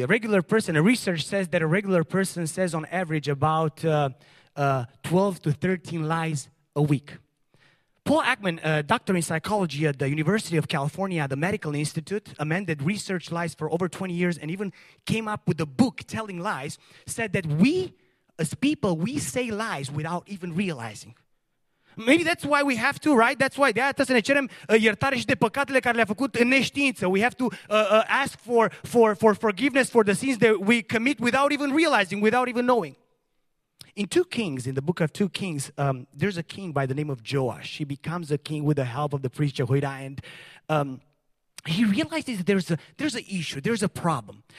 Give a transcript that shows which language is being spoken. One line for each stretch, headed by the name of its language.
English: A regular person, a research says that a regular person says on average about 12 to 13 lies a week. Paul Ekman, a doctor in psychology at the University of California, the Medical Institute, a man that researched lies for over 20 years and even came up with a book, Telling Lies, said that we, as people, we say lies without even realizing. Maybe that's why we have to, right? That's why
Romanian: să ne cerem iertare și de păcatele care le-a făcut în neștiință.
English: We have to ask for forgiveness for the sins that we commit without even realizing, without even knowing. In 2 Kings, in the book of 2 Kings, there's a king by the name of Joash. He becomes a king with the help of the priest Jehoiada, and he realizes that there's an issue, there's a problem.